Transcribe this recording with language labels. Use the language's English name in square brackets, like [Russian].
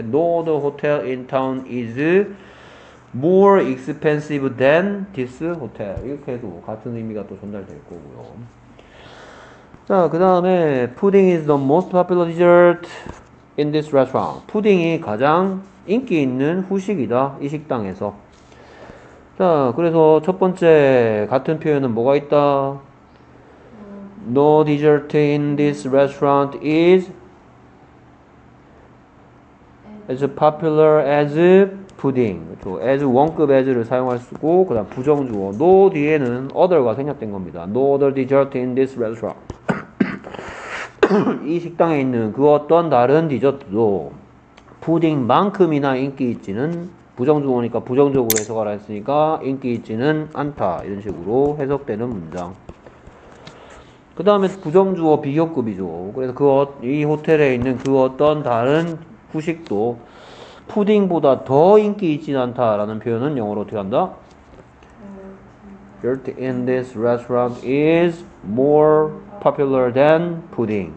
[English] No other hotel in town is more expensive than this hotel. [Korean] 이렇게 해도 같은 의미가 또 전달될 거고요. 자, 그 다음에 [English] pudding is the most popular dessert in this restaurant. [Korean] 푸딩이 가장 인기 있는 후식이다 이 식당에서. 자, 그래서 첫 번째 같은 표현은 뭐가 있다? [English] No dessert in this restaurant is as popular as pudding. [Korean] 그렇죠. As 원급 as를 사용할 수 있고, 그다음 부정주어 no 뒤에는 other가 생략된 겁니다. [English] No other dessert in this restaurant. [Korean] 이 식당에 있는 그 어떤 다른 디저트도 푸딩만큼이나 인기 있지는 부정주어니까 부정적으로 해석을 했으니까 인기 있지는 않다 이런 식으로 해석되는 문장. 그 다음에 부정주어 비교급이죠. 그래서 이 호텔에 있는 그 어떤 다른 후식도 푸딩보다 더 인기 있지 않다라는 표현은 영어로 어떻게 한다? [English] Dessert in this restaurant is more popular than pudding.